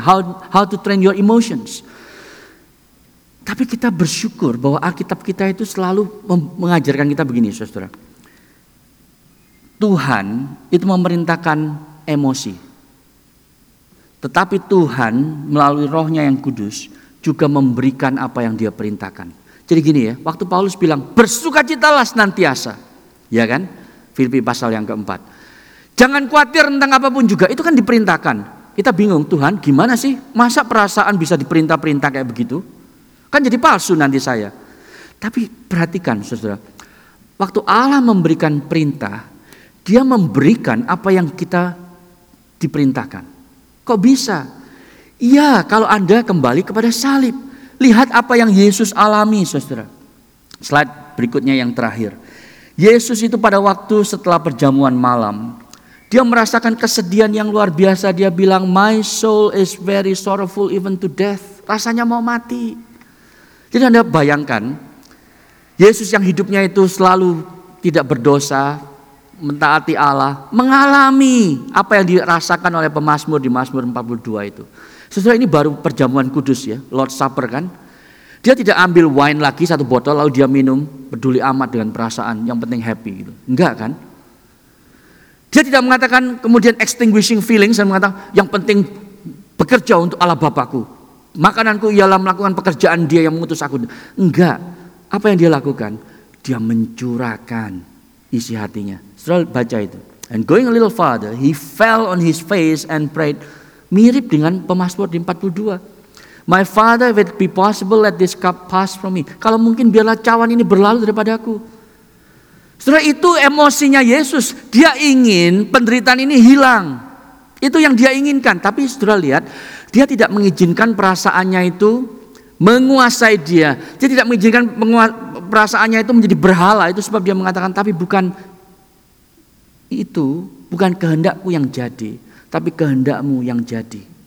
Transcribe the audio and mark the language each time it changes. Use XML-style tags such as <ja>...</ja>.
<en>How to train your emotions.</en> <id>Tapi kita bersyukur bahwa Alkitab kita itu selalu mengajarkan kita begini, saudara. Tuhan itu memerintahkan emosi. Tetapi Tuhan melalui Roh-Nya yang kudus juga memberikan apa yang dia perintahkan. Jadi gini ya, waktu Paulus bilang, bersukacitalah senantiasa. Ya kan? Filipi pasal yang keempat. Jangan khawatir tentang apapun juga, itu kan diperintahkan. Kita bingung, Tuhan gimana sih? Masa perasaan bisa diperintah-perintah kayak begitu? Kan jadi palsu nanti saya. Tapi perhatikan, saudara. Waktu Allah memberikan perintah, dia memberikan apa yang kita diperintahkan. Kok bisa? Iya, kalau Anda kembali kepada salib. Lihat apa yang Yesus alami, saudara. Slide berikutnya yang terakhir. Yesus itu pada waktu setelah perjamuan malam, dia merasakan kesedihan yang luar biasa.</id> <en>Dia bilang, my soul is very sorrowful even to death.</en> <id>Rasanya mau mati. Jadi Anda bayangkan, Yesus yang hidupnya itu selalu tidak berdosa, mentaati Allah, mengalami apa yang dirasakan oleh pemazmur di Mazmur 42 itu. Sesudah ini baru perjamuan kudus ya, Lord's Supper kan. Dia tidak ambil wine lagi satu botol lalu dia minum, peduli amat dengan perasaan, yang penting happy gitu. Enggak kan? Dia tidak mengatakan kemudian</id> <en>extinguishing feelings</en> <id>dan mengatakan yang penting bekerja untuk Allah Bapakku. Makananku ialah melakukan pekerjaan Dia yang mengutus aku. Enggak. Apa yang dia lakukan? Dia mencurahkan isi hatinya. Saudara baca itu.</id> <en>And going a little farther, he fell on his face and prayed.</en> <id>Mirip dengan pemazmur di 42.</id> <en>My Father, if it be possible, let this cup pass from me.</en> <id>Kalau mungkin biarlah cawan ini berlalu daripada aku. Setelah itu emosinya Yesus. Dia ingin penderitaan ini hilang. Itu yang dia inginkan. Tapi setelah lihat, dia tidak mengizinkan perasaannya itu menguasai dia. Dia tidak mengizinkan perasaannya itu menjadi berhala. Itu sebab dia mengatakan, tapi bukan itu, bukan kehendakku yang jadi, tapi kehendakmu yang jadi.</id>